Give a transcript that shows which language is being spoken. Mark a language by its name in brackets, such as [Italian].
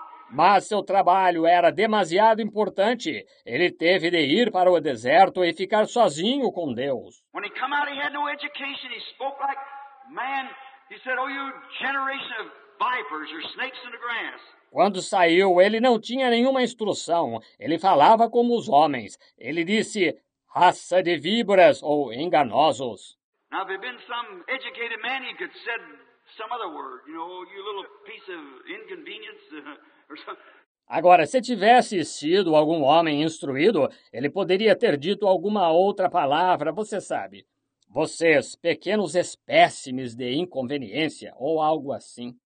[Portuguese] Mas seu trabalho era demasiado importante. Ele teve de ir para o deserto e ficar sozinho com Deus. Quando ele saiu, ele não tinha educação. Ele falou como um homem. Ele disse, [English] oh, you generation of vipers, or snakes in the grass. [Portuguese] Quando saiu, ele não tinha nenhuma instrução. Ele falava como os homens. Ele disse, raça de víboras ou enganosos. [English] Now, if he'd been some educated man, he could have said some other word. You know, you little piece of inconvenience. [Portuguese] Agora, se tivesse sido algum homem instruído, ele poderia ter dito alguma outra palavra, você sabe. Vocês, pequenos espécimes de inconveniência, ou algo assim.